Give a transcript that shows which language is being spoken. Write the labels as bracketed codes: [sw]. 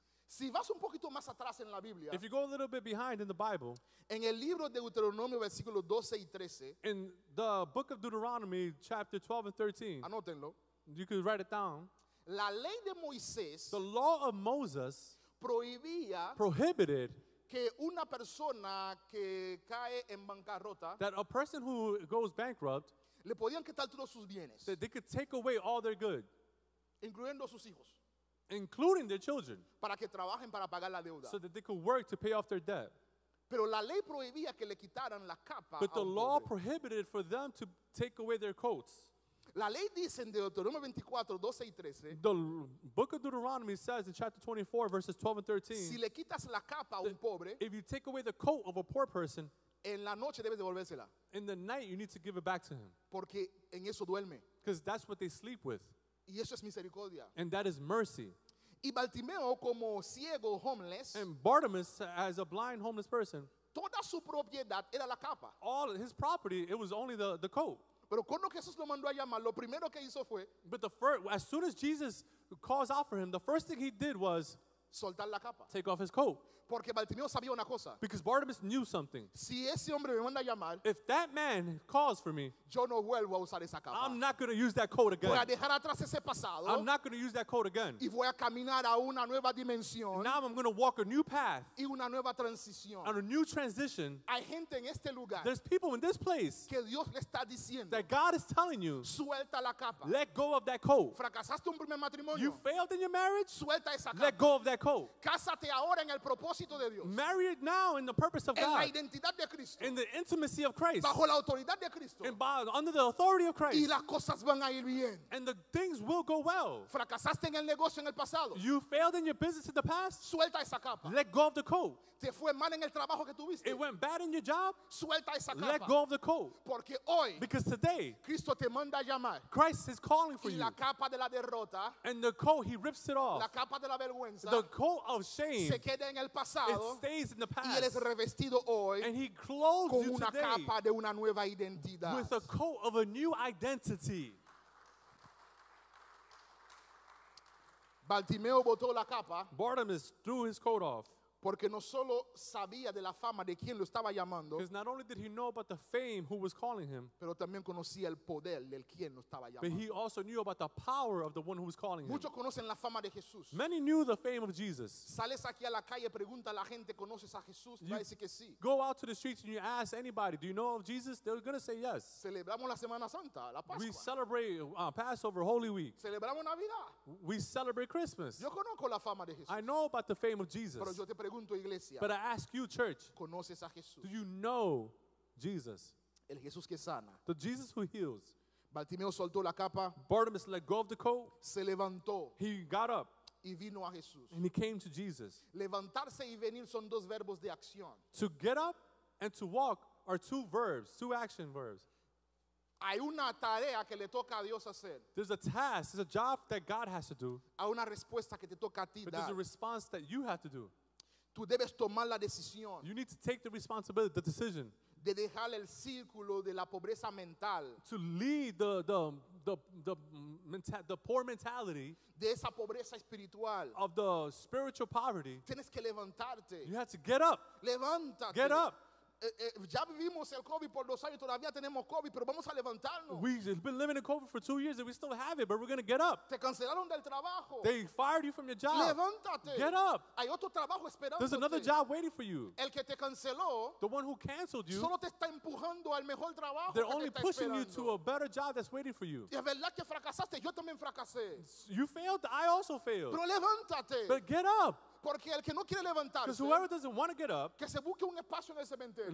[es] Si vas un poquito más atrás en la Biblia, [en] if you go a little bit behind in the Bible, [es] en el libro de Deuteronomio, versículo 12 y 13, [en] in the book of Deuteronomy, chapter 12 and 13, [es] anótenlo, [en] you could write it down. [es] La ley de Moisés, [en] the law of Moses, [es] prohibía, [en] prohibited [es] que una persona que cae en bancarrota, [en] that a person who goes bankrupt, [es] le podían quitar todos sus bienes, [en] that they could take away all their good, [es] incluyendo sus hijos, [en] including their children, [es] para que trabajen para pagar la deuda, [en] so that they could work to pay off their debt. [es] Pero la ley prohibía que le quitaran la capa, [en] but the law prohibited for them to take away their coats. [es] La ley dice en Deuteronomio 24, 12 y 13, [en] the book of Deuteronomy says in chapter 24, verses 12 and 13, [es] si le quitas la capa a un pobre, [en] if you take away the coat of a poor person, [es] en la noche debes devolvérsela. [en] In the night, you need to give it back to him. [es] Porque en eso duerme. [en] Because that's what they sleep with. [es] Y eso es misericordia. [en] And that is mercy. [es] Y Bartimeo, como ciego, homeless, [en] and Bartimaeus, as a blind homeless person, [es] toda su propiedad era la capa. [en] All his property, it was only the coat. [es] Pero cuando Jesús lo mandó a llamar, lo primero que hizo fue, [en] but the first, as soon as Jesus calls out for him, the first thing he did was [es] soltar la capa, [en] take off his coat. [es] Porque Bartimeo sabía una cosa, [en] because Bartimaeus knew something. [es] Si ese hombre me manda a llamar, [en] if that man calls for me, [es] yo no vuelvo a usar esa capa. [en] I'm not going to use that coat again. [es] Voy a dejar atrás ese pasado, [en] I'm not going to use that coat again. [es] Y voy a caminar a una nueva dimensión, [en] now I'm going to walk a new path, [es] y una nueva transición, [en] and a new transition. [es] Hay gente en este lugar, [en] there's people in this place, [es] que Dios le está diciendo, [en] that God is telling you, [es] suelta la capa, [en] let go of that coat. [es] Fracasaste un primer matrimonio, [en] you failed in your marriage, [es] suelta esa capa, [en] let go of that coat. [es] Cásate ahora en el propósito. [en] Marry it now in the purpose of God. [es] En la identidad de Cristo. [en] In the intimacy of Christ. [es] Bajo la autoridad de Cristo. [en] And by, under the authority of Christ. [es] Y las cosas van a ir bien. [en] And the things will go well. [es] Fracasaste en el negocio en el pasado. [en] You failed in your business in the past. [es] Suelta esa capa. [en] Let go of the coat. [es] Te fue mal en el trabajo que tuviste. [en] It went bad in your job. [es] Suelta esa capa. [en] Let go of the coat. [es] Porque hoy, [en] because today, [es] Cristo te manda a llamar. [en] Christ is calling for [es] y [en] you. [es] La capa de la derrota, [en] and the coat, he rips it off. [es] La capa de la vergüenza, [en] the coat of shame. [es] Se queda en el pasado. [en] It stays in the past. [es] Y él es revestido hoy, [en] and he clothes [es] con [en] you [es] una [en] today [es] capa de una nueva identidad, [en] with a coat of a new identity. [es] Bartimeo botó la capa, [en] Bartimaeus threw his coat off, [es] porque no solo sabía de la fama de quien lo estaba llamando, [en] because not only did he know about the fame who was calling him, [es] pero también conocía el poder del quien lo estaba llamando. [en] But he also knew about the power of the one who was calling him. [es] Muchos conocen la fama de Jesús. [en] Many knew the fame of Jesus. [es] Sales aquí a la calle, pregunta a la gente, ¿conoces a Jesús? Va a decir que sí. [en] Go out to the streets and you ask anybody, do you know of Jesus? They're going to say yes. [es] Celebramos la Semana Santa, la Pascua. [en] We celebrate Passover, Holy Week. [es] Celebramos Navidad. [en] We celebrate Christmas. [es] Yo conozco la fama de Jesús. [en] I know about the fame of Jesus. [es] Pero yo te [en] but I ask you, church, [es] ¿conoces a Jesús? [en] Do you know Jesus? [es] El Jesús que sana. [en] The Jesus who heals. [es] Bartimeo soltó la capa. [en] Bartimaeus let go of the coat. [es] Se levantó. [en] He got up. [es] Y vino a Jesús. [en] And he came to Jesus. [es] Levantarse y venir son dos verbos de acción. [en] To get up and to walk are two verbs, two action verbs. [es] Hay una tarea que le toca a Dios hacer. [en] There's a task, there's a job that God has to do. [es] Hay una respuesta que te toca a ti [en] but [es] dar. [en] There's a response that you have to do. [es] Tú debes tomar la decisión. [en] You need to take the responsibility, the decision. [es] De dejar el círculo de la pobreza mental. [en] To leave the poor mentality. [es] De esa pobreza espiritual. [en] Of the spiritual poverty. [es] Tienes que levantarte. [en] You have to get up. [es] Levántate. [en] Get up. [es] Ya vivimos el COVID por dos años, todavía tenemos COVID, pero vamos a levantarnos. [en] We've been living in COVID for 2 years and we still have it, but we're going to get up. [es] Te cancelaron del trabajo. [en] They fired you from your job. [es] Levántate. [en] Get up. [es] Hay otro trabajo esperándote. [en] There's another job waiting for you. [es] El que te canceló, [en] the one who canceled you, [es] solo te está empujando al mejor trabajo. [en] They're only pushing [es] esperando [en] you to a better job that's waiting for you. [es] Y es verdad que fracasaste, yo también fracasé. [en] You failed, I also failed. [es] Pero levántate. [en] But get up. [es] Porque el que no quiere levantarse, [en] because whoever doesn't want to get up, [es] que se busque un espacio en el cementerio,